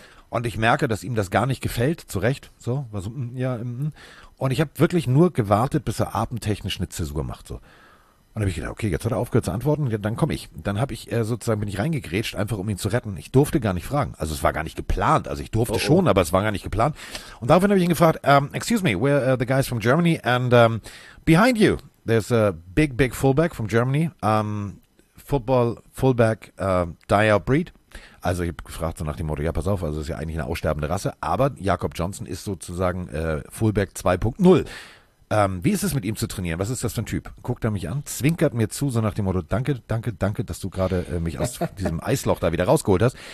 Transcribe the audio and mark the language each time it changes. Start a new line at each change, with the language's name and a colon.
German: Und ich merke, dass ihm das gar nicht gefällt, zu Recht, so, war so, Und ich habe wirklich nur gewartet, bis er atemtechnisch eine Zäsur macht, so. Und dann habe ich gedacht, okay, jetzt hat er aufgehört zu antworten, dann komme ich. Dann habe ich sozusagen, bin ich reingegrätscht, einfach um ihn zu retten. Ich durfte gar nicht fragen, also es war gar nicht geplant, also ich durfte schon, aber es war gar nicht geplant. Und daraufhin habe ich ihn gefragt,
English: excuse me, we're the guys from Germany and behind you. There's a big, big fullback from Germany, football fullback dire breed.
German: Also ich habe gefragt so nach dem Motto, ja pass auf, also ist ja eigentlich eine aussterbende Rasse, aber Jakob Johnson ist sozusagen Fullback 2.0. Wie ist es mit ihm zu trainieren? Was ist das für ein Typ? Guckt er mich an, zwinkert mir zu, so nach dem Motto, danke, danke, danke, dass du gerade mich aus diesem Eisloch da wieder rausgeholt hast.